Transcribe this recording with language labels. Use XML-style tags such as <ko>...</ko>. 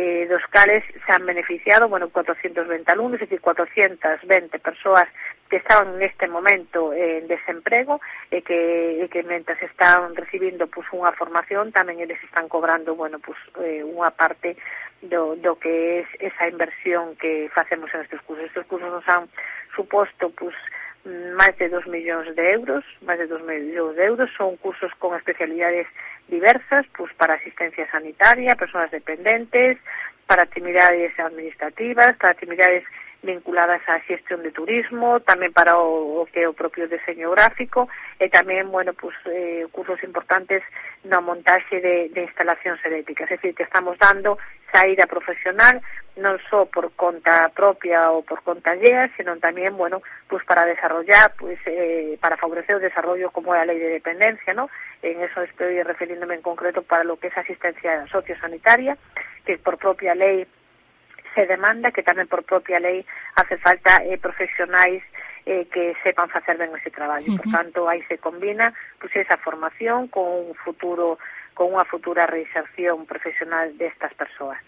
<es>dos cales se han beneficiado, 420 alumnos, es decir, 420 personas que estaban en este momento en desempleo que mientras están recibiendo pues una formación, también ellos están cobrando, una parte do que es esa inversión que hacemos en estos cursos. Estos cursos nos han supuesto pues más de 2 millóns de euros, son cursos con especialidades diversas, pues para asistencia sanitaria, personas dependentes,</es> <gl>para actividades administrativas, para actividades vinculadas á xestión de turismo, tamén para o propio diseño gráfico e tamén, cursos importantes na montaxe de instalacións eléctricas. É dicir, que estamos dando saída profesional non só por conta propia ou por conta llea, senón tamén, para desarrollar, para favorecer o desarrollo como é a lei de dependencia, ¿no?</gl> <es>En eso estoy refiriéndome en concreto para lo que es asistencia sociosanitaria, que por propia ley se demanda,</es> <gl>que tamén por propia lei</gl> <es>hace falta profesionais que sepan facer ben ese traballo.</es> <gl>Uh-huh. Por tanto, aí se combina pues, esa formación con un futuro, con unha futura reinserción profesional destas persoas.</gl>